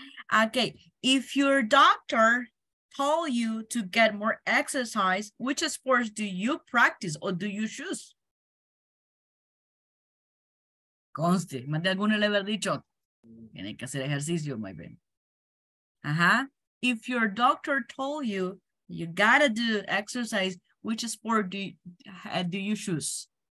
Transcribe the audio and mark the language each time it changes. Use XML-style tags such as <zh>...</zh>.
<en>Okay, if your doctor told you to get more exercise, which sports do you practice or do you choose?</en> <es>Conste, más de alguno le haber dicho, tiene que hacer ejercicio,</es> <en>my friend. Ajá. If your doctor told you, you gotta do exercise, which sport do you choose?</en>